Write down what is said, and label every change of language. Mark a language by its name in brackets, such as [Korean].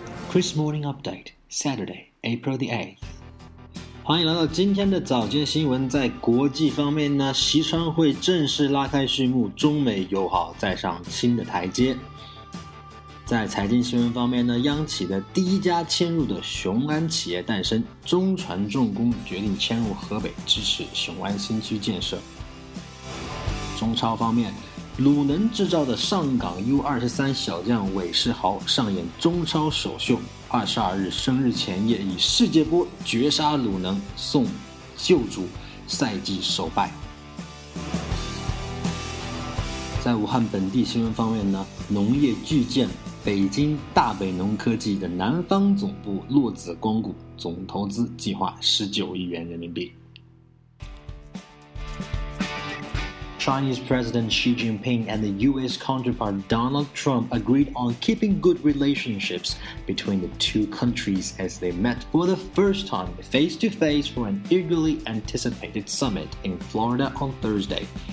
[English] Chris Morning Update, Saturday, April the 8th. [Chinese] 欢迎来到今天的早间新闻。在国际方面呢，习商会正式拉开序幕，中美友好再上新的台阶。在财经新闻方面呢，央企的第一家迁入的雄安企业诞生，中船重工决定迁入河北，支持雄安新区建设。中超方面，鲁能制造的上港 U23 小将韦世豪上演中超首秀，22日生日前夜以世界波绝杀鲁能，送旧主赛季首败。在武汉本地新闻方面呢，农业巨舰北京大北农科技的南方总部落子光谷，总投资计划19亿元人民币。 [English] Chinese President Xi Jinping and the U.S. counterpart Donald Trump agreed on keeping good relationships between the two countries as they met for the first time face-to-face for an eagerly anticipated summit in Florida on Thursday.